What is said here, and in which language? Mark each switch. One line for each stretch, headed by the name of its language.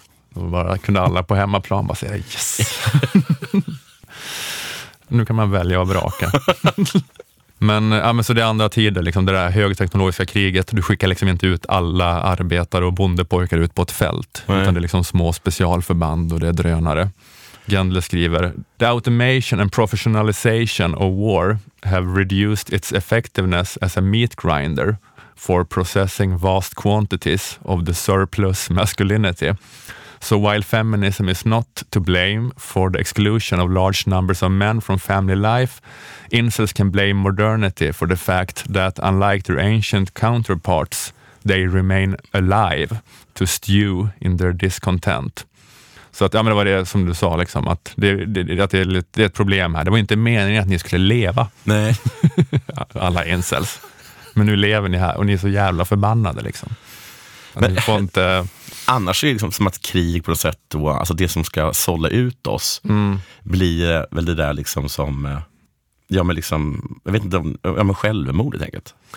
Swedish: Bara kunde alla på hemmaplan bara säga
English: yes.
Swedish: Nu kan man välja att vraka. Men, ja, men så det är andra tider, liksom det där högteknologiska kriget. Du skickar liksom inte ut alla arbetare och bondepojkar ut på ett fält. Nej. Utan det är liksom små specialförband och det är drönare. Gandler skriver,
English: "The automation and professionalization of war have reduced its effectiveness as a meat grinder for processing vast quantities of the surplus masculinity. So while feminism is not to blame for the exclusion of large numbers of men from family life, incels can blame modernity for the fact that unlike their ancient counterparts, they remain alive to stew in their discontent."
Swedish: Så att, ja, men det var det som du sa, liksom, att, det är ett problem här. Det var inte meningen att ni skulle leva. Nej. Alla incels. Men nu lever ni här och ni är så jävla förbannade, liksom. Men, ni får inte... Annars är det liksom som att krig på något sätt, då, alltså det som ska sålla ut oss, blir väl det där liksom som, ja men liksom, jag vet inte, ja men självmord helt enkelt.